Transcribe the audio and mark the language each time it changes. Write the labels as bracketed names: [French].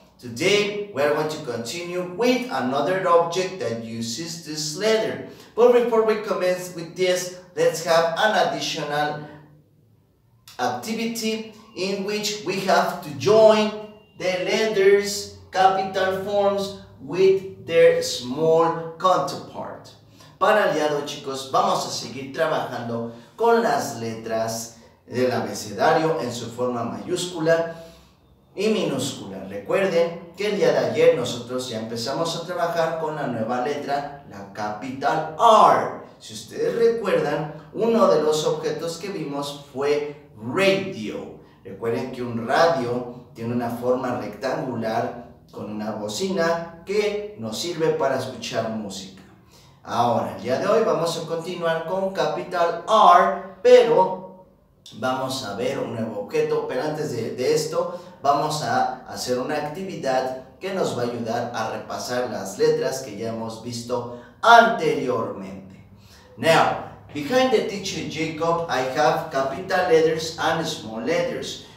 [English] Today we're going to continue with another object that uses this letter, but before we commence with this, let's have an additional activity in which we have to join the letters capital forms with their small counterpart. [Spanish] Para aliado, chicos, vamos a seguir trabajando con las letras del abecedario en su forma mayúscula y minúscula. Recuerden que el día de ayer nosotros ya empezamos a trabajar con la nueva letra, la capital R. Si ustedes recuerdan, uno de los objetos que vimos fue radio. Recuerden que un radio tiene una forma rectangular con una bocina que nos sirve para escuchar música. Ahora, el día de hoy vamos a continuar con capital R, pero vamos a ver un nuevo objeto. Pero antes de esto, vamos a hacer una actividad que nos va a ayudar a repasar las letras que ya hemos visto anteriormente. [English] Now, behind the teacher Jacob, I have capital letters and small letters.